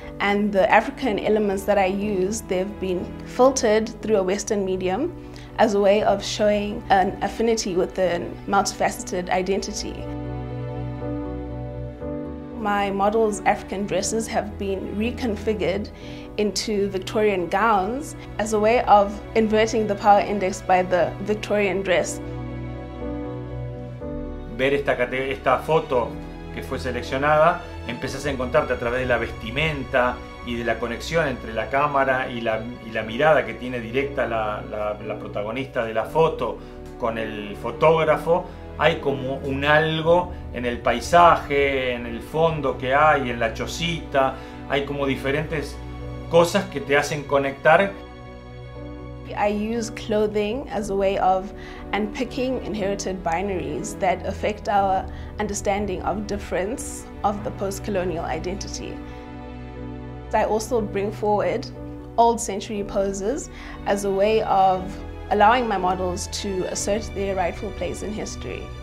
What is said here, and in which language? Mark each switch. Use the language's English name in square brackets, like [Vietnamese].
[English] And the African elements that I use, they've been filtered through a Western medium as a way of showing an affinity with a multifaceted identity. My models' African dresses have been reconfigured into Victorian gowns as a way of inverting the power index by the Victorian dress. [Spanish] Ver esta foto que fue seleccionada, empezás a encontrarte a través de la vestimenta y de la conexión entre la cámara y la mirada que tiene directa la protagonista de la foto con el fotógrafo. Hay como un algo en el paisaje, en el fondo que hay, en la chocita. Hay como diferentes cosas que te hacen conectar. [English] I use clothing as a way of unpicking inherited binaries that affect our understanding of difference of the post-colonial identity. I also bring forward old century poses as a way of allowing my models to assert their rightful place in history.